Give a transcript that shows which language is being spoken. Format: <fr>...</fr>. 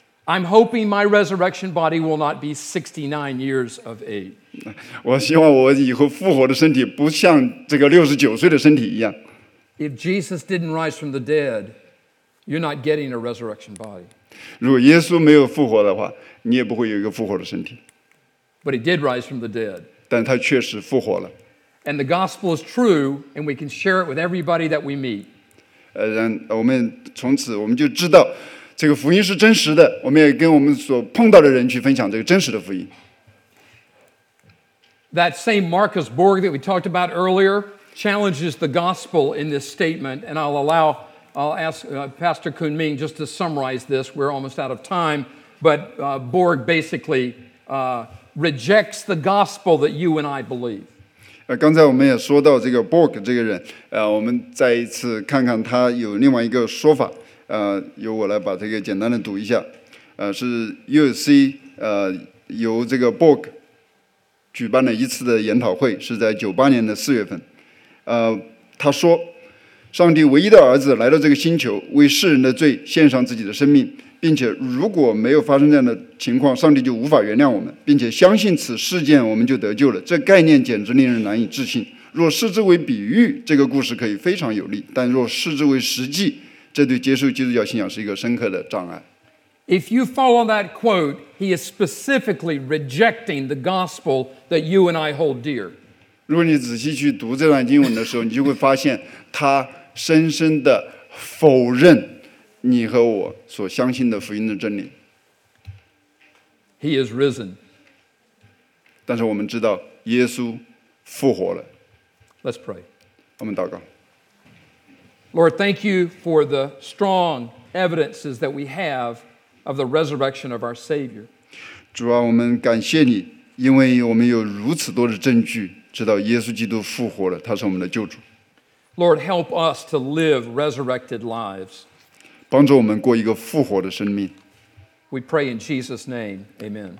<en>I'm hoping my resurrection body will not be 69 years of age.</en> <zh>我希望我以后复活的身体不像这个69岁的身体一样。</zh> <en>If Jesus didn't rise from the dead, you're not getting a resurrection body.</en> <zh>如果耶稣没有复活的话，你也不会有一个复活的身体。</zh> <en>But he did rise from the dead.</en> <zh>但他确实复活了。</zh> <en>And the gospel is true, and we can share it with everybody that we meet.</en> <zh>我们从此我们就知道这个福音是真实的，我们也跟我们所碰到的人去分享这个真实的福音。</zh> <en>That same Marcus Borg that we talked about earlier challenges the gospel in this statement, and I'll ask Pastor Kunming just to summarize this. We're almost out of time, but Borg basically rejects the gospel that you and I believe.</en> <zh>刚才我们也说到这个 Borg 这个人，我们再一次看看他有另外一个说法。由我来把这个简单的读一下，是 UC 由这个 Borg 举办了一次的研讨会，是在98年的4月份，他说，上帝唯一的儿子来到这个星球，为世人的罪献上自己的生命，并且如果没有发生这样的情况，上帝就无法原谅我们，并且相信此事件我们就得救了。这概念简直令人难以置信。若视之为比喻，这个故事可以非常有力，但若视之为实际，这对接受基督教信仰是一个深刻的障碍。</zh> <en>If you follow that quote, he is specifically rejecting the gospel that you and I hold dear.</en> <zh>如果你仔细去读这段经文的时候，你就会发现他深深地否认你和我所相信的福音的真理。</zh> <en>He is risen.</en> <zh>但是我们知道耶稣复活了。</zh> <en>Let's pray.</en> <zh>我们祷告。</zh> <en>Lord, thank you for the strong evidences that we have of the resurrection of our Savior.</en> <zh>主啊，我们感谢你，因为我们有如此多的证据，知道耶稣基督复活了，他是我们的救主。</zh> <en>Lord, help us to live resurrected lives.</en> <zh>帮助我们过一个复活的生命。</zh> <en>We pray in Jesus' name, Amen.</en>